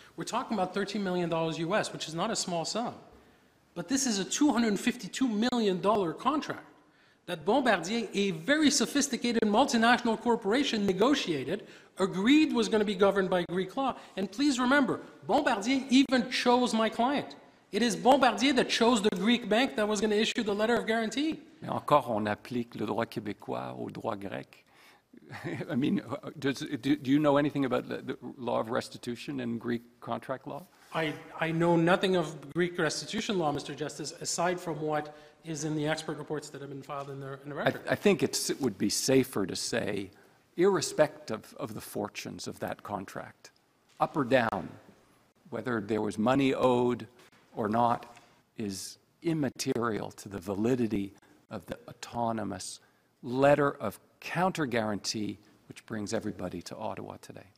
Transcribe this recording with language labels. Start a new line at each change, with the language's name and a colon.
English: We're talking about $13 million US, which is not a small sum, but this is a $252 million contract that Bombardier, a very sophisticated multinational corporation, negotiated, agreed was going to be governed by Greek law. And please remember, Bombardier even chose my client. It is Bombardier that chose the Greek bank that was going to issue the letter of guarantee.
French: Mais encore, on applique le droit québécois au droit grec.
English: I mean, do you know anything about the law of restitution and Greek contract law? I know nothing of Greek restitution law, Mr. Justice, aside from what is in the expert reports that have been filed in the record. I think it would be safer to say, irrespective of the fortunes of that contract, up or down, whether there was money owed or not, is immaterial to the validity of the autonomous letter of counter-guarantee which brings everybody to Ottawa today.